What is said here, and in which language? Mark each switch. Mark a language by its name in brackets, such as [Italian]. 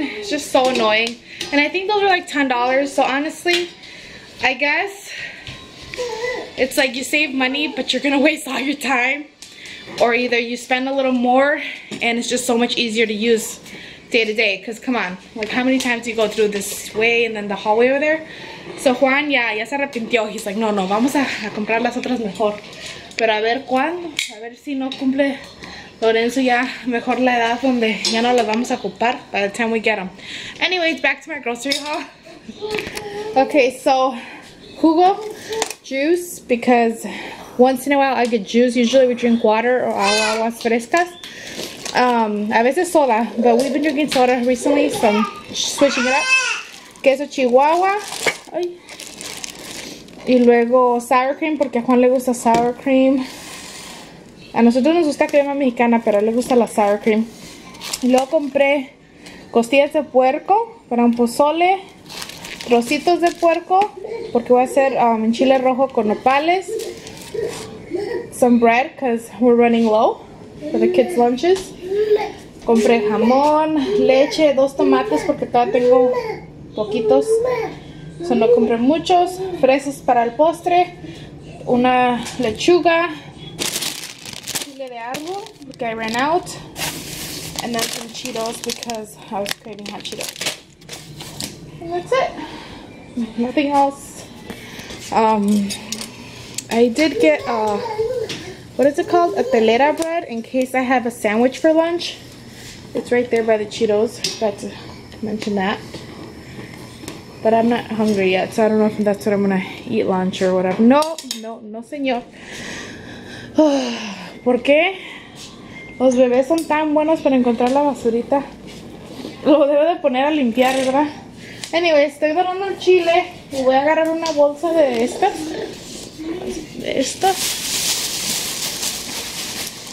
[English] It's just so annoying. And I think those are like $10. So honestly, I guess it's like you save money, but you're gonna waste all your time. Or either you spend a little more and it's just so much easier to use day to day. Cause come on, like how many times do you go through this way and then the hallway over there? [Spanish] So Juan, [English] yeah, [Spanish] ya se arrepintió. [English] He's like, [Spanish] no, no, vamos a comprar las otras mejor. Pero a ver cuándo, a ver si no cumple. Lorenzo ya mejor la edad donde ya no las vamos a ocupar [English] by the time we get them. Anyways, back to my grocery haul. Okay, so [Spanish] jugo, [English] juice, because once in a while I get juice. Usually we drink water or [Spanish] aguas frescas. A veces [English] soda, but we've been drinking soda recently, so I'm switching it up. [Spanish] Queso chihuahua. Ay. Y luego sour cream, porque a Juan le gusta sour cream. A nosotros nos gusta crema mexicana, pero le gusta la sour cream. Luego compré costillas de puerco para un pozole. Trocitos de puerco, porque voy a hacer chile rojo con nopales. [English] Some bread, because we're running low for the kids' lunches. [Spanish] Compré jamón, leche, dos tomates, porque todavía tengo poquitos. [English] So [Spanish] no compré muchos. Fresas para el postre. Una lechuga. [English] Like I ran out, and then some Cheetos because I was craving hot Cheetos. And that's it. Nothing else. I did get a telera bread in case I have a sandwich for lunch. It's right there by the Cheetos. Forgot to mention that. But I'm not hungry yet, so I don't know if that's what I'm gonna eat lunch or whatever. [Spanish] No, no, no, señor. ¿Por qué? Los bebés son tan buenos para encontrar la basurita. Lo debo de poner a limpiar, ¿verdad? [English] Anyway, [Spanish] estoy dorando el chile y voy a agarrar una bolsa de estas. De estas.